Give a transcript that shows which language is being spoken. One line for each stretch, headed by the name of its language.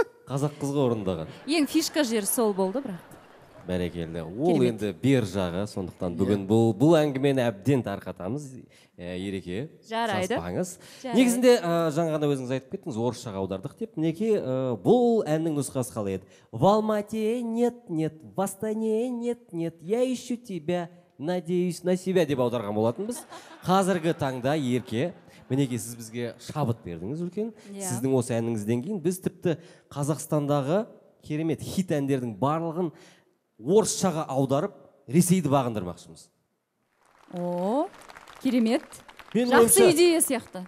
Kazakh: Қазақ қызға орындаған. Ең фишка жер сол болды бірақ. Бәрекелді. Ол енді бер жағы, сондықтан бүгін бұл әңгімені әбден тарқатамыз. Ереке, жарайды. Саспаңыз. Негізінде жаңа ғана өзіңіз айтып кеттіңіз, орысшаға аудардық деп. Мінекей, бұл әннің нұсқасы қалай еді?
Russian: В Алмате нет, нет, в Астане нет, нет, я ищу тебя, надеюсь на себя
Kazakh: деп аударған болатынбыз. Қазіргі таңда Ерке, мінекей, сіз бізге шабыт бердіңіз үлкен. Yeah. Сіздің осы әніңізден кейін біз тіпті Қазақстандағы керемет хит әндердің барлығын орысшаға аударып, Ресейді бағындырмақшымыз. Оо. Керемет. Жақсы идея сияқты.